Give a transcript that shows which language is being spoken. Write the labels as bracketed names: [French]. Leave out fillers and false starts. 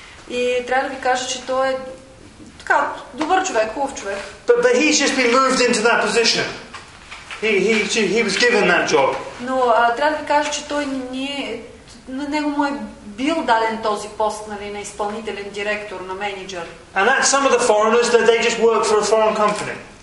[Bulgarian] И трябва да ви кажа, че той е така добър човек, хубав човек. [English] But he's just been moved into that position. He was given that job. [Bulgarian] Но трябва да ви кажа, че той не на него му е бил даден този пост, нали, на изпълнителен директор, на менеджер. [English] And that's some of the foreigners that they just work for a foreign company.